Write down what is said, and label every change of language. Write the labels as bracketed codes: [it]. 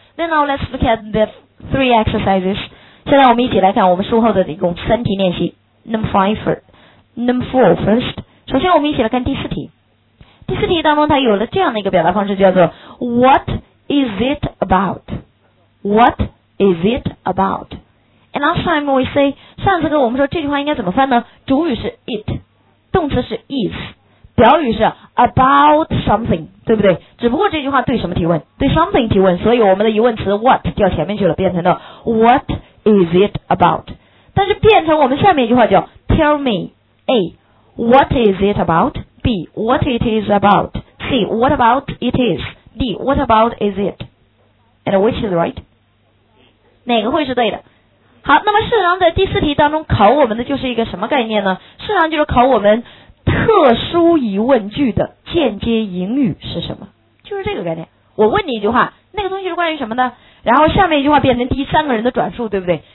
[en] Then now let's look at the three exercises。 [zh] 现在我们一起来看我们书后的一共三题练习。 [en] Number four first， [zh] 首先我们一起来看第四题。第四题当中它有了这样的一个表达方式，叫做 [en] what is it about， [zh] what is it about。 [en] And last time we say， [zh] 上次跟我们说这句话应该怎么翻呢？主语是 it， 动词是 is， 表语是 about something， 对不对？只不过这句话对什么提问？对 something 提问，所以我们的疑问词 what 掉前面去了，变成了 [en] what is it about。 [zh] 但是变成我们下面一句话叫 [en] tell me A what is it about， B what it is about， C what about it is， D what about is it， and which is right， [zh] 哪个会是对的？好，那么事实上在第四题当中考我们的就是一个什么概念呢？事实上就是考我们特殊疑问句的间接引语是什么，就是这个概念。我问你一句话，那个东西是关于什么呢？然后下面一句话变成第三个人的转述，对不对？